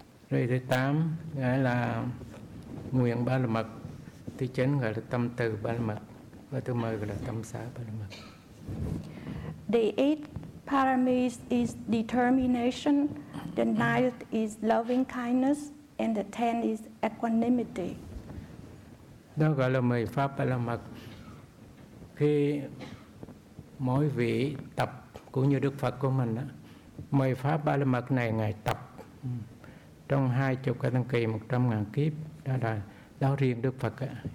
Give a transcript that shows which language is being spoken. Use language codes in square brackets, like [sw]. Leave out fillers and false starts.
[vi] Rồi thứ tám gọi là nguyện ba la mật, thứ chín gọi là tâm từ ba la mật, và thứ mười gọi là tâm xá ba la mật. [en] The eighth paramis is determination, the ninth is loving kindness, and the tenth is equanimity. [vi] Đó gọi là mười pháp ba la mật, khi mỗi vị tập cũng như Đức Phật của mình á, mười pháp ba la mật này ngài tập trong 20 cái tăng kỳ 100.000 kiếp, đó là đạo riêng Đức Phật á.